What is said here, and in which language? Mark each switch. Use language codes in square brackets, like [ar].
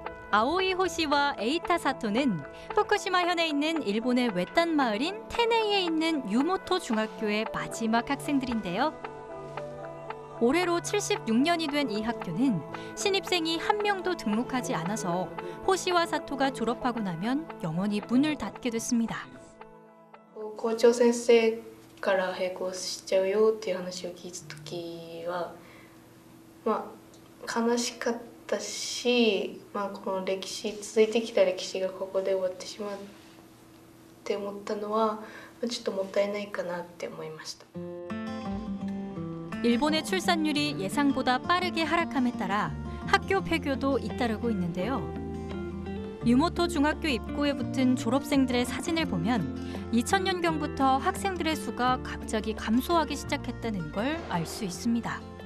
[ko] 아오이 호시와 에이타 사토는 후쿠시마 현에 있는 일본의 외딴 마을인 테네이에 있는 유모토 중학교의 마지막 학생들인데요. 올해로 76년이 된 이 학교는 신입생이 한 명도 등록하지 않아서 호시와 사토가 졸업하고 나면 영원히 문을 닫게 됐습니다. [ja] 고초 선생 から並行しちゃうよっていう話を聞いた時は、まあ悲しかったし、まあこの歴史続いてきた歴史がここで終わってしまうって思ったのは、ちょっともったいないかなって思いました。 [ko] 일본의 출산율이 예상보다 빠르게 하락함에 따라 학교 폐교도 잇따르고 있는데요. 유모토 중학교 입구에 붙은 졸업생들의 사진을 보면 2000년경부터 학생들의 수가 갑자기 감소하기 시작했다는 걸 알 수 있습니다.